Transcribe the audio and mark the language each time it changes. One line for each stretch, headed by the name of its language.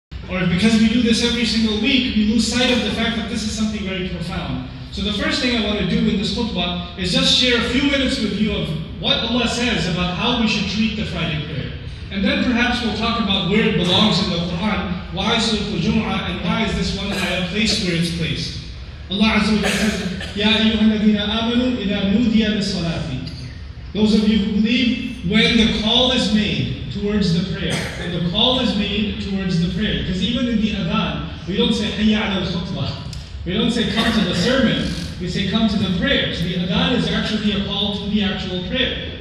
English: Or because we do this every single week, we lose sight of the fact that this is something very profound. So the first thing I want to do in this khutbah is just share a few minutes with you of what Allah says about how we should treat the Friday prayer. And then perhaps we'll talk about where it belongs in the Quran, why Surah Al-Jumu'ah, and why is this one ayah placed where it's placed.
Arabic: Allah Azza wa Jalla says, يَا أَيُّهَا الَّذِينَ آمَنُوا إِذَا نُودِيَ لِلصَّلَاةِ.
English: Those of you who believe, when the call is made towards the prayer, when the call is made towards the prayer, because even in the adhan, we don't say,
Arabic: حَيَّ عَلَى الْخُطْبَةِ.
English: We don't say come to the sermon, we say come to the prayer. So the adhan is actually a call to the actual prayer.